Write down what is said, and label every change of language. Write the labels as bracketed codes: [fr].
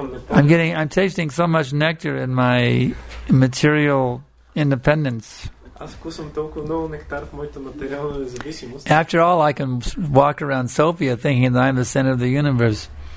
[en] I'm tasting so much nectar in my material independence. [bg] Аз вкусвам толкова много нектар в моята материална независимост. [en] After all, I can walk around Sofia thinking that I'm the center of the universe.